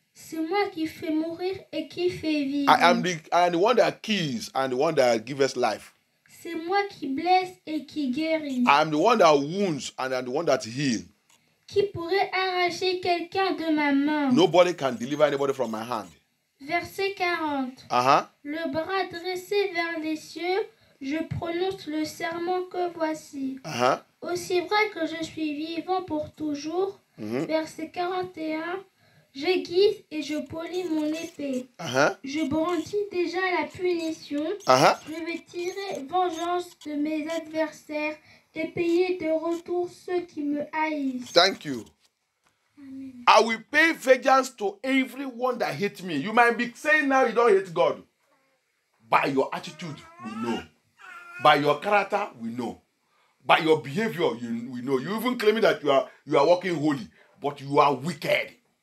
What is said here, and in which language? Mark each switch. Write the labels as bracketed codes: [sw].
[fr] C'est moi qui fais mourir et qui fais vivre. [en] I am the one that kills and the one that gives life. [fr] C'est moi qui blesse et qui guérit. [en] I am the one that wounds and I'm the one that heals. [fr] Qui pourrait arracher quelqu'un de ma main? [en] Nobody can deliver anybody from my hand. [fr] Verset 40. Le bras dressé vers les cieux, je prononce le serment que voici. Aussi vrai que je suis vivant pour toujours. Verset 41. J'aiguise et je polis mon épée. Je brandis déjà la punition. Je vais tirer vengeance de mes adversaires et payer de retour ceux qui me haïssent. [en] Thank you. Amen. I will pay vengeance to everyone that hates me. You might be saying now you don't hate God. By your attitude, we know. By your character, we know. By your behavior, we know. You even claiming that you are walking holy, but you are wicked.